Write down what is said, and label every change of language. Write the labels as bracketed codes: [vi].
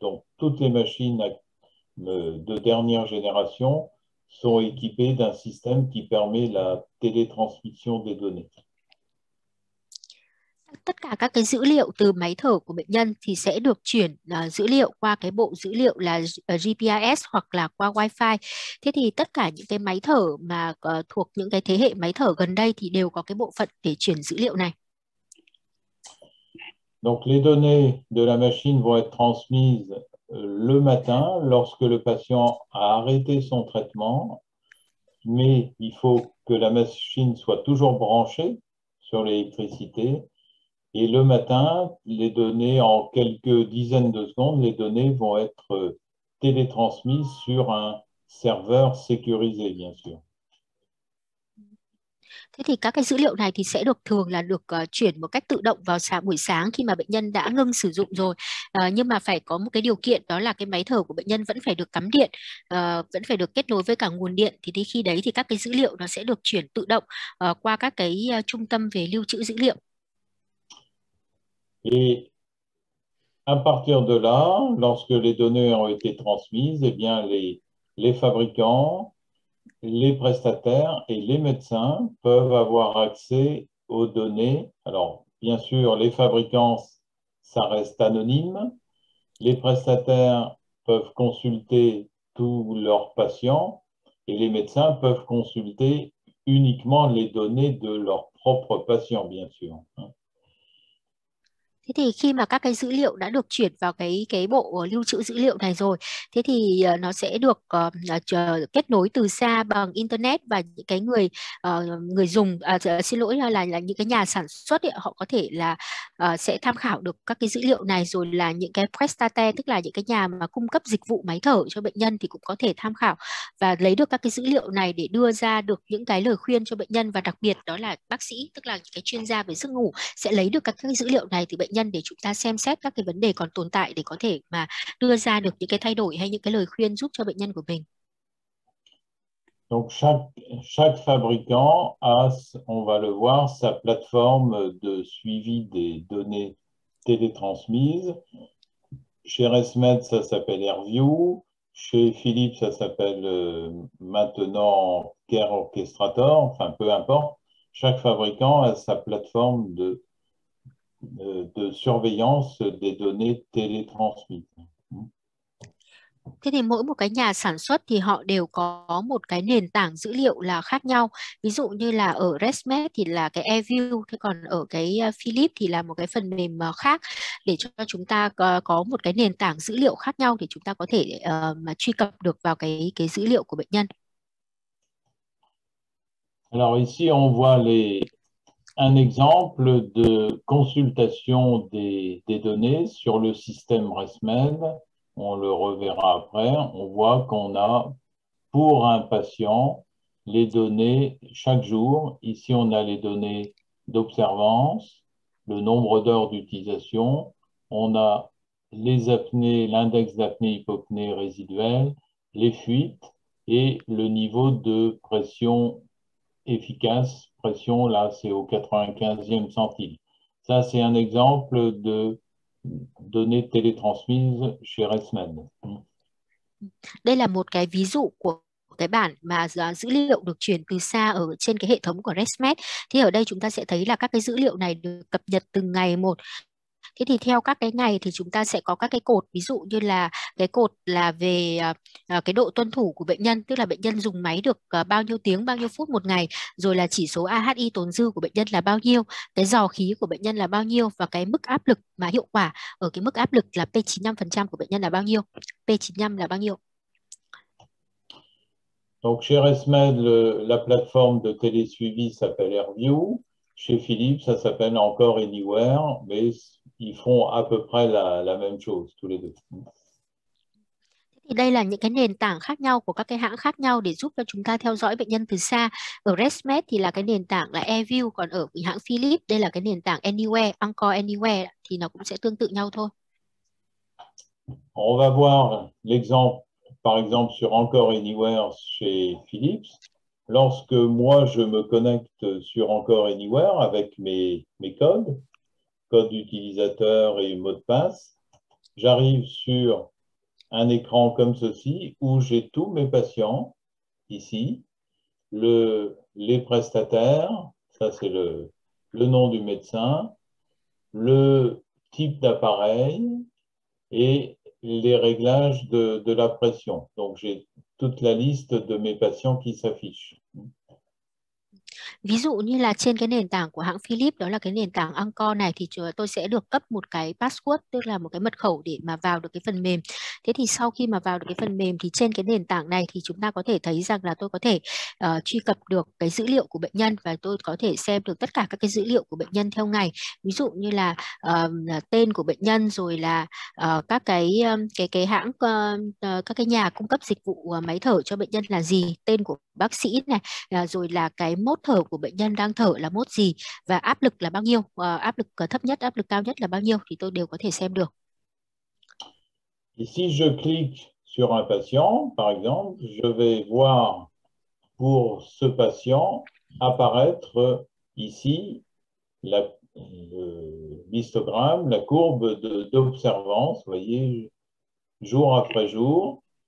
[fr] Donc, toutes les machines de dernière génération sont équipées d'un système qui permet la télétransmission des données. [vi] Tất cả các cái dữ liệu từ máy thở của bệnh nhân thì sẽ được chuyển dữ liệu qua cái bộ dữ liệu là GPS hoặc là qua Wi-Fi. Thế thì tất cả những cái máy thở mà thuộc những cái thế hệ máy thở gần đây thì đều có cái bộ phận để chuyển dữ liệu này. [fr] Donc, les données de la machine vont être transmises le matin lorsque le patient a arrêté son traitement, mais il faut que la machine soit toujours branchée sur l'électricité. Et le matin, les données, en quelques dizaines de secondes, les données vont être télétransmises sur un serveur sécurisé, bien sûr. [vi] Thế thì các cái dữ liệu này thì sẽ được thường là được chuyển một cách tự động vào buổi sáng khi mà bệnh nhân đã ngưng sử dụng rồi, nhưng mà phải có một cái điều kiện, đó là cái máy thở của bệnh nhân vẫn phải được cắm điện, vẫn phải được kết nối với cả nguồn điện. Thì khi đấy thì các cái dữ liệu nó sẽ được chuyển tự động qua các cái trung tâm về lưu trữ dữ liệu. [fr] Et à partir de là, lorsque les données ont été transmises, eh bien les fabricants, les prestataires et les médecins peuvent avoir accès aux données. Alors, bien sûr, les fabricants, ça reste anonyme. Les prestataires peuvent consulter tous leurs patients et les médecins peuvent consulter uniquement les données de leurs propres patients, bien sûr. [vi] Thế thì khi mà các cái dữ liệu đã được chuyển vào cái bộ lưu trữ dữ liệu này rồi, thế thì nó sẽ được kết nối từ xa bằng internet, và những cái người người dùng xin lỗi là những cái nhà sản xuất ấy, họ có thể là sẽ tham khảo được các cái dữ liệu này, rồi là những cái prestataire, tức là những cái nhà mà cung cấp dịch vụ máy thở cho bệnh nhân thì cũng có thể tham khảo và lấy được các cái dữ liệu này để đưa ra được những cái lời khuyên cho bệnh nhân, và đặc biệt đó là bác sĩ, tức là những cái chuyên gia về giấc ngủ sẽ lấy được các cái dữ liệu này từ bệnh nhân để chúng ta xem xét các cái vấn đề còn tồn tại để có thể mà đưa ra được những cái thay đổi hay những cái lời khuyên giúp cho bệnh nhân của mình. [fr] Donc chaque fabricant a, on va le voir, sa plateforme de suivi des données télétransmises. Chez ResMed, ça s'appelle AirView. Chez Philips, ça s'appelle maintenant Care Orchestrator. Enfin, peu importe. Chaque fabricant a sa plateforme de surveillance des données télétransmises. [vi] Thế thì mỗi một cái nhà sản xuất thì họ đều có một cái nền tảng dữ liệu là khác nhau. Ví dụ như là ở ResMed thì là cái AirView, thế còn ở cái Philips thì là một cái phần mềm khác để cho chúng ta có một cái nền tảng dữ liệu khác nhau để chúng ta có thể mà truy cập được vào cái dữ liệu của bệnh nhân. [fr] Alors ici, on voit un exemple de consultation des données sur le système ResMed. On le reverra après. On voit qu'on a pour un patient les données chaque jour. Ici, on a les données d'observance, le nombre d'heures d'utilisation. On a les apnées, l'index d'apnée hypopnée résiduelle, les fuites et le niveau de pression efficace, pression, là c'est au 95e centile. Ça, c'est un exemple de données télétransmises chez ResMed. [vi] Đây là một cái ví dụ của cái bản mà dữ liệu được chuyển từ xa ở trên cái hệ thống của ResMed. Thì ở đây chúng ta sẽ thấy là các cái dữ liệu này được cập nhật từng ngày một. Thế thì theo các cái ngày thì chúng ta sẽ có các cái cột, ví dụ như là cái cột là về cái độ tuân thủ của bệnh nhân, tức là bệnh nhân dùng máy được bao nhiêu tiếng, bao nhiêu phút một ngày, rồi là chỉ số AHI tồn dư của bệnh nhân là bao nhiêu, cái dò khí của bệnh nhân là bao nhiêu, và cái mức áp lực mà hiệu quả ở cái mức áp lực là P95% của bệnh nhân là bao nhiêu, P95 là bao nhiêu. [fr] Donc chez ResMed, la plateforme de télésuivi s'appelle AirView. Chez Philips, ça s'appelle encore Anywhere, mais ils font à peu près la même chose tous les deux. [vi] Thì đây là những cái nền tảng khác nhau của các cái hãng khác nhau để giúp cho chúng ta theo dõi bệnh nhân từ xa. Ở ResMed thì là cái nền tảng là AirView, còn ở hãng Philips đây là cái nền tảng Anywhere, Encore Anywhere thì nó cũng sẽ tương tự nhau thôi. [fr] On va voir l'exemple. Par exemple, sur Encore Anywhere chez Philips, lorsque moi je me connecte sur Encore Anywhere avec mes codes d'utilisateur et mot de passe, j'arrive sur un écran comme ceci où j'ai tous mes patients ici, les prestataires, ça c'est le nom du médecin, le type d'appareil et les réglages de la pression. Donc j'ai toute la liste de mes patients qui s'affiche. [vi] Ví dụ như là trên cái nền tảng của hãng Philips, đó là cái nền tảng Encore này, thì tôi sẽ được cấp một cái password, tức là một cái mật khẩu để mà vào được cái phần mềm. Thế thì sau khi mà vào được cái phần mềm thì trên cái nền tảng này thì chúng ta có thể thấy rằng là tôi có thể truy cập được cái dữ liệu của bệnh nhân, và tôi có thể xem được tất cả các cái dữ liệu của bệnh nhân theo ngày. Ví dụ như là tên của bệnh nhân, rồi là các cái hãng các cái nhà cung cấp dịch vụ máy thở cho bệnh nhân là gì, tên của bác sĩ này, rồi là cái mốt thở của bệnh nhân đang thở là mốt gì, và áp lực là bao nhiêu, áp lực thấp nhất, áp lực cao nhất là bao nhiêu, thì tôi đều có thể xem được. [fr] Et si je clique sur un patient, par exemple, je vais voir pour ce patient apparaître ici l'histogramme, la courbe d'observance, vous voyez, jour après jour.